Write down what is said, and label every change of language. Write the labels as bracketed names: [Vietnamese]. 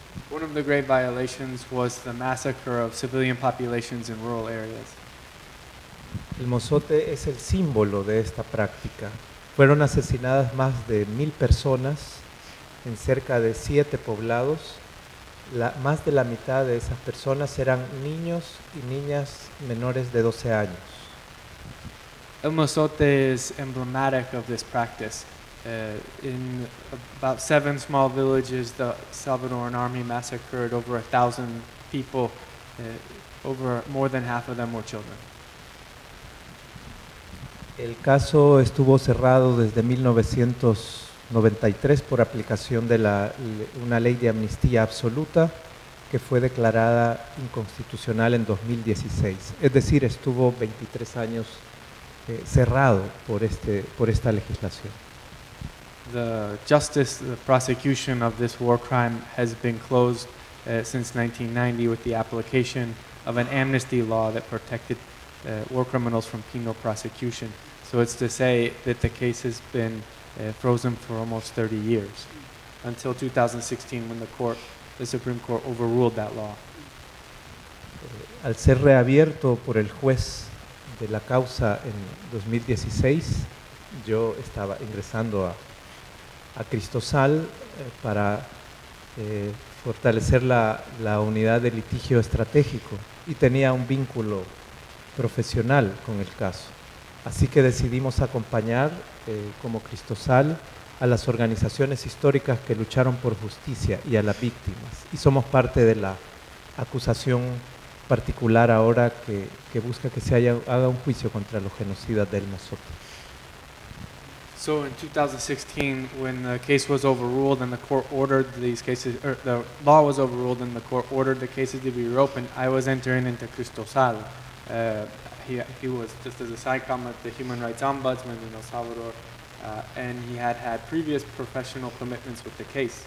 [English] One of the grave violations was the massacre of civilian populations in rural areas. [Spanish] El mozote es el símbolo de esta práctica. Fueron asesinadas más de 1,000 personas en cerca de 7 poblados. Más de la mitad de esas personas eran niños y niñas menores de 12 años. [English] El mozote is emblematic of this practice. In about 7 small villages, the Salvadoran army massacred over 1,000 people. More than half of them were children. [Spanish] El caso estuvo cerrado desde 1993 por aplicación de una ley de amnistía absoluta que fue declarada inconstitucional en 2016. Es decir, estuvo 23 años cerrado por esta legislación. [English] The justice, the prosecution of this war crime has been closed since 1990 with the application of an amnesty law that protected war criminals from penal prosecution. So it's to say that the case has been frozen for almost 30 years, until 2016 when the Supreme Court overruled that law. [Spanish] Al ser reabierto por el juez de la causa en 2016, yo estaba ingresando a Cristosal para fortalecer la unidad de litigio estratégico y tenía un vínculo profesional con el caso. Así que decidimos acompañar como Cristosal a las organizaciones históricas que lucharon por justicia y a las víctimas. Y somos parte de la acusación particular ahora que busca que se haga un juicio contra los genocidas del Mazote. [English] So in 2016, when the case was overruled and the court ordered these cases, or the law was overruled and the court ordered the cases to be reopened, I was entering into Cristosal, he was, just as a side comment, the human rights ombudsman in El Salvador, and he had had previous professional commitments with the case.